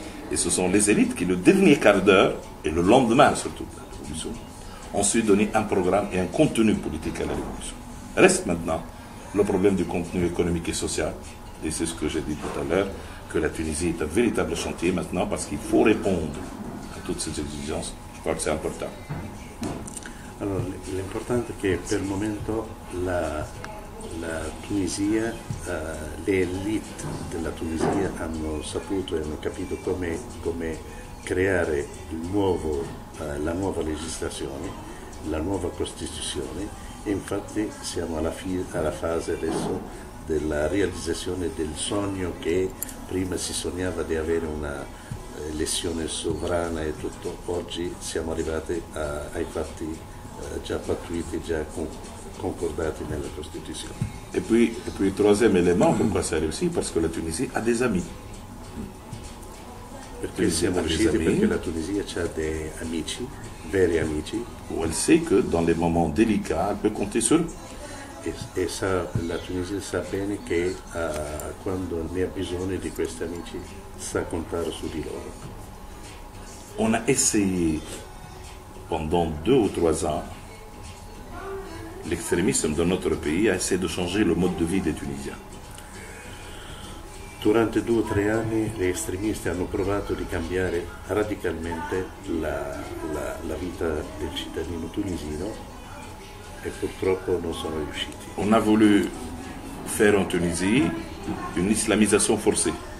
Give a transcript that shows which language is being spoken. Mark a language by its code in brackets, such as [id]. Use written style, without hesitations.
[fr] Et ce sont les élites qui, le dernier quart d'heure, et le lendemain surtout de la révolution, ont su donner un programme et un contenu politique à la révolution. Reste maintenant le problème du contenu économique et social. Et c'est ce que j'ai dit tout à l'heure, que la Tunisie est un véritable chantier maintenant parce qu'il faut répondre à toutes ces exigences. Je crois que c'est important. Alors, l'important est que, [it] per il momento, la Tunisia, le élite [fr] de la Tunisie [it] hanno saputo e hanno capito come creare la nuova legislazione, la nuova Costituzione, e infatti siamo alla fase adesso della realizzazione del sogno che prima si sognava di avere una elezione sovrana e tutto, oggi siamo arrivati ai fatti già pattuiti, già concordati nella Costituzione. E poi il [fr] troisième élément, pourquoi [it] c'è riuscito? Perché la Tunisia ha [fr] des amis. [it] Perché siamo riusciti? Perché la Tunisia ha dei amici, veri amici. [fr] Où elle sait que dans les moments délicats, elle peut compter sur eux. Et ça, la Tunisie sait bien que quand elle a besoin de ces amis, elle sait compter sur eux. On a essayé pendant deux ou trois ans, l'extrémisme dans notre pays a essayé de changer le mode de vie des Tunisiens. [it] Durante due o tre anni gli estremisti hanno provato di cambiare radicalmente la vita del cittadino tunisino e purtroppo non sono riusciti. [fr] On a voulu faire en Tunisie une islamisation forcée.